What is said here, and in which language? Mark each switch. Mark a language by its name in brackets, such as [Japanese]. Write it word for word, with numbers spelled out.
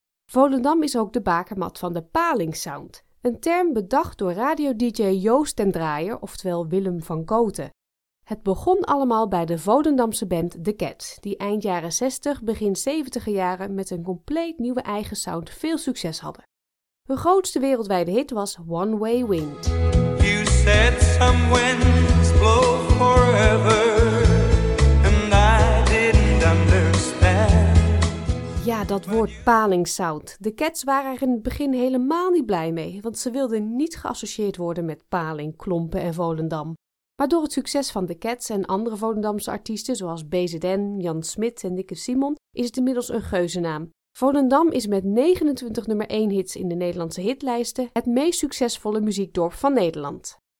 [Dutch] Volendam is ook de bakermat van de palingsound, een term bedacht door radio-dj Joost ten Draaier, oftewel Willem van Kooten. Het begon allemaal bij de Volendamse band The Cats, die eind jaren zestig, begin zeventiger jaren met een compleet nieuwe eigen sound veel succes hadden. Hun grootste wereldwijde hit was One Way Wind. [English] You said some winds blow forever, and I didn't understand. [Dutch] Ja, dat woord palingsound. The Cats waren er in het begin helemaal niet blij mee, want ze wilden niet geassocieerd worden met paling, klompen en Volendam. Maar door het succes van The Cats en andere Volendamse artiesten zoals B Z N, Jan Smit en Dikke Simon is het inmiddels een geuzennaam. Volendam is met negenentwintig nummer één hits in de Nederlandse hitlijsten het meest succesvolle muziekdorp van Nederland.